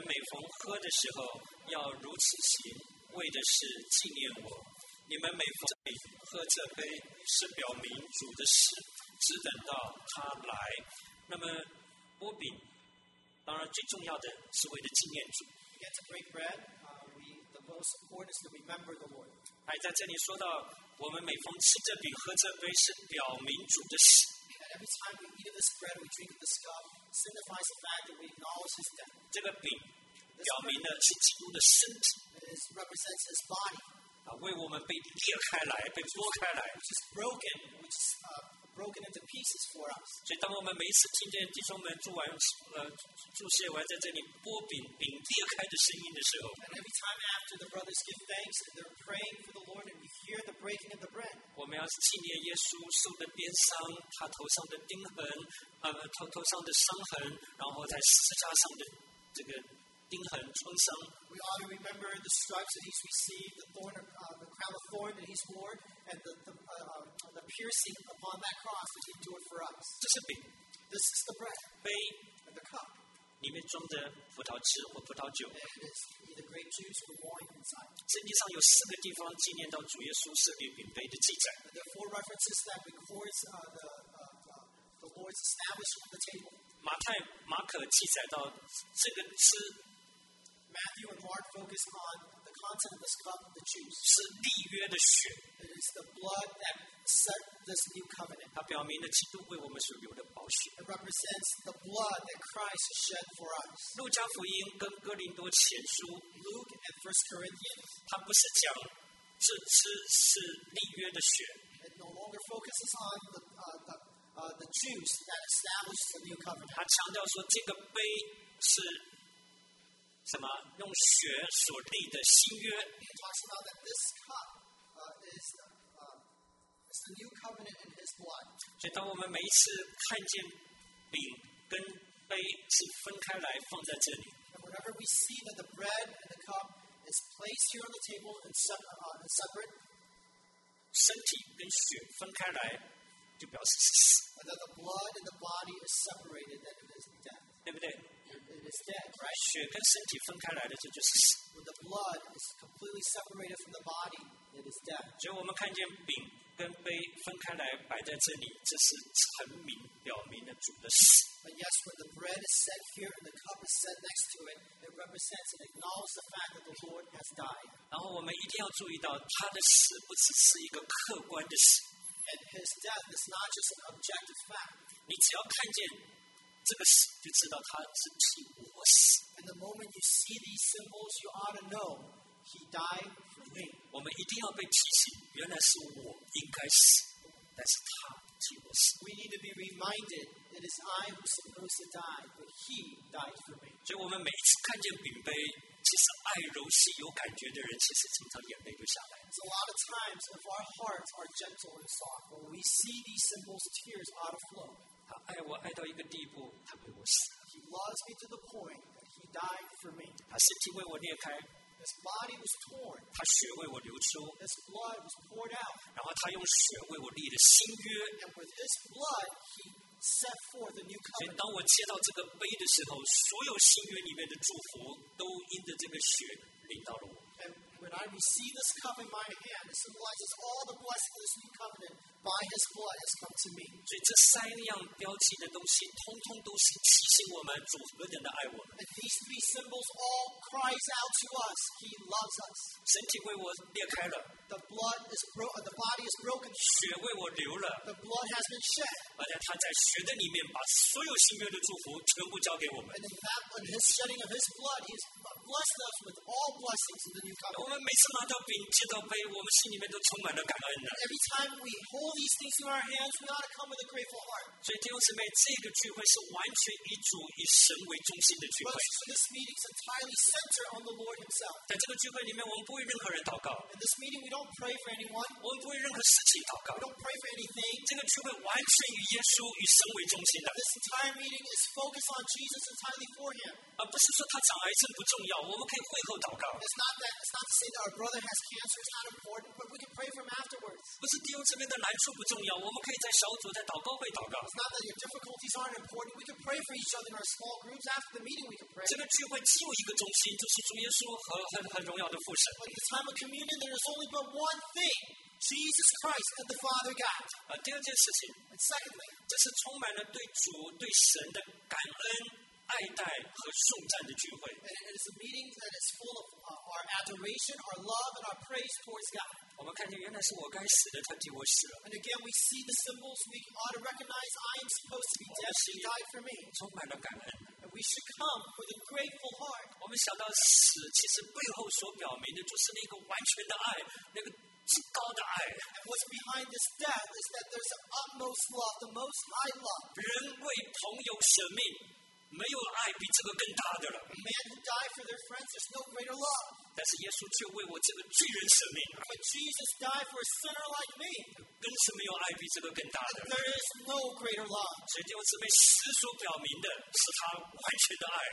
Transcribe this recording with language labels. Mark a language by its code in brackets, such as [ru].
[zh] 他说：“我当日传给你们的，原是从主领受的，就是主耶稣被卖的那一夜，拿起饼来，祝谢了，就拨开说：‘这是我的身体，为你们舍的。’你们应当如此行，为的是纪念我。饭后也照样拿起杯来说：‘这杯是用我的血所立的新约。’你们每逢喝的时候，要如此行。” 为的是纪念我，你们每逢喝这杯，是表明主的死，只等到他来。那么擘饼，当然最重要的是为了纪念主。 [en] We get to break bread. The most important is to remember the Lord. [zh] 还在这里说到，我们每逢吃这饼、喝这杯，是表明主的死。 [en] And every time we eat of this bread, we drink of this cup, signifies the fact that we acknowledge His death. [zh] 这个饼表明的是基督的身体。 [en] It represents His body. [zh] 为我们被裂开来，被剥开来。 [en] Which is broken, which is broken into pieces for us. [zh] 所以，当我们每一次听见弟兄们祝完祝谢完在这里剥饼、饼裂开的声音的时候 [en] ，And every time after the brothers give thanks, they're praying for the Lord, and we hear the breaking of the bread. [zh] 我们要纪念耶稣受的鞭伤，他头上的钉痕，头上的伤痕，然后在十字架上的这个。钉痕创伤。 [en] We ought to remember the stripes that he's received, the thorn, the crown of thorn that he's wore, and the piercing upon that cross that he endured for us. [zh] 这是饼。 [en] This is the bread. [zh] 杯。 [en] And the cup. [zh] 里面装的葡萄汁或葡萄酒。 [en] And it's either grape juice or wine inside. [zh] 圣经上有四个地方纪念到主耶稣赦免饼杯的记载。 [en] And there are four references that records the Lord's establishment of the table. [zh] 马太、马可记载到这个吃。 [en] Matthew and Mark focus on the content of this cup, the juice. [zh] 是立约的血。 [en] It is the blood that set this new covenant. [zh] 它表明了基督为我们所流的宝血。 [en] It represents the blood that Christ shed for us. [zh] 路加福音跟哥林多前书。 [en] Luke and First Corinthians. [zh] 它不是讲这吃是立约的血。 [en] It no longer focuses on the juice that established the new covenant. [zh] 它强调说这个杯是。什么用血所立的新约 [en] ？He talks about that this cup is the new covenant in His blood. [zh] 所以，当我们每一次看见饼跟杯是分开来放在这里 [en] ，And whenever we see that the bread and the cup is placed here on the table and separate, [zh] 身体跟血分开来，就表示死。 [en] And that the blood and the body is separated, that it is death. [zh] 对不对？ [en] It is dead, right? [zh] 血跟身体分开来的，这就是死。 [en] When the blood is completely separated from the body, it is death. [zh] 所以我们看见饼跟杯分开来摆在这里，这是陈明表明了主的死。 [en] But yes, when the bread is set here and the cup is set next to it, it represents and acknowledges the fact that the Lord has died. [zh] 然后我们一定要注意到，他的死不只是一个客观的死。 [en] And his death is not just an objective fact. [zh] 你只要看见。这个死就知道他是替我死。 [en] And the moment you see these symbols, you ought to know he died for me. [zh] 我们一定要被提醒，原来是我应该死，但是他替我死。 [en] We need to be reminded that it's I who's supposed to die, but he died for me. [zh] 所以我们每一次看见饼杯，其实爱柔细有感觉的人，其实经常眼泪就下来。 [en] So a lot of times, if our hearts are gentle and soft, when we see these symbols, tears ought to flow. [zh] 他爱我爱到一个地步，他为我死。 [en] He loves me to the point that he died for me. [zh] 他身体为我裂开。 [en] His body was torn. [zh] 他血为我流出。 [en] His blood was poured out. [zh] 然后他用血为我立的新约。 [en] And with his blood, he set forth a new covenant. [zh] 所以当我接到这个杯的时候，所有新约里面的祝福都因着这个血临到了我。 [en] And when I receive this cup in my hand, it symbolizes all the blessings of this new covenant. By His blood has come to me. [zh] 所以这三样标记的东西，通通都是提醒我们主何等的爱我们。 [en] And these three symbols all cries out to us, He loves us. [zh] 身体为我裂开了。 [en] The blood is broken. The body is broken. [zh] 血为我流了。 [en] The blood has been shed. [zh] 而且他在血的里面把所有新约的祝福全部交给我们。 [en] And in that, in His shedding of His blood, He has blessed us with all blessings in the new covenant. [zh] 我们每次拿到饼、接到杯，我们心里面都充满了感恩的。 [en] Every time we hold All these things in our hands, we ought to come with a grateful heart. [zh] 所以弟兄姊妹，这个聚会是完全以主以神为中心的聚会。 [en] But this meeting is entirely centered on the Lord Himself. [zh] 在这个聚会里面，我们不为任何人祷告。 [en] In this meeting, we don't pray for anyone. [zh] 我们不为任何事情祷告。 [en] We don't pray for anything. [zh] 这个聚会完全以耶稣以神为中心的。 [en] This entire meeting is focused on Jesus entirely for Him. [zh] 而不是说他长癌症不重要。祷，我们可以会后祷告。 [en] It's not to say that our brother has cancer. It's not important, but we can pray for him afterwards. [zh] 不是弟兄这边的难处不重要，我们可以在小组在祷告会祷告。 [en] It's not that your difficulties aren't important. We can pray for each other in our small groups after the meeting. We can pray. [zh] 这个聚会只有一个中心，就是主耶稣和很荣耀的父神。 [en] But in the time of communion, there is only but one thing: Jesus Christ and the Father God. [zh] 第二件事情。 [en] And secondly, [zh] 这是充满了对主对神的感恩。爱戴和颂赞的聚会。 [en] It is a meeting that is full of our adoration, our love, and our praise towards God. [zh] 我们看见原来是我该死的，他替我死了。 [en] And again, we see the symbols. We ought to recognize I am supposed to be dead. He died for me. [zh] 充满了感恩。 [en] And we should come with a grateful heart. [zh] 我们想到死，其实背后所表明的就是那个完全的爱，那个。 [en] And what's behind this death is that there's the utmost love, the most high love. [zh] 人为朋友舍命，没有爱比这个更大的了。 [en] Man who died for their friends, there's no greater love. [zh] 但是耶稣却为我这个罪人舍命。 [en] But Jesus died for a sinner like me. [zh] 更是没有爱比这个更大的。 [en] There is no greater love. [zh] 所以弟兄姊妹，死所表明的是他完全的爱。